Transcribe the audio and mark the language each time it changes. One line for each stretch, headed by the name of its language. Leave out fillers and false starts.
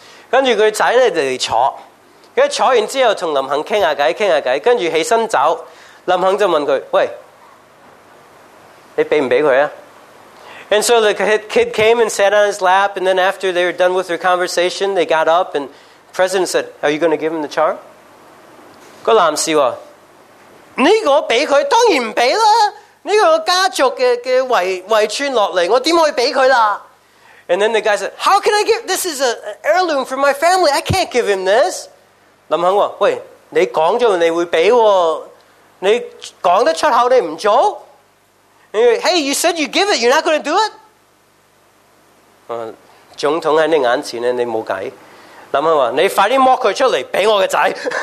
Chinese: 跟住佢仔咧就坐。佢坐完之後，同林肯傾下偈，傾下偈，跟住起身走。林肯就問佢：喂，你俾唔俾佢啊
English: ？And so the kid came and sat on his lap, and then after they were done with their conversation, they got up and the president said, "Are you going to give him the charm?"
Chinese: 個男士話：呢個俾佢，當然唔俾啦。呢個家族嘅遺傳落嚟，我點可以俾佢啦
English: ？And then the guy said, "How can I give? This is an heirloom from my family. I can't give him this."
Chinese: 林肯話：喂，你講咗你會俾喎，你講得出口你唔做
English: ？Hey, you said you give it, you're not going to do it？
Chinese: 總統喺你眼前咧，你冇計。林肯話：你快啲剝佢出嚟俾我嘅仔。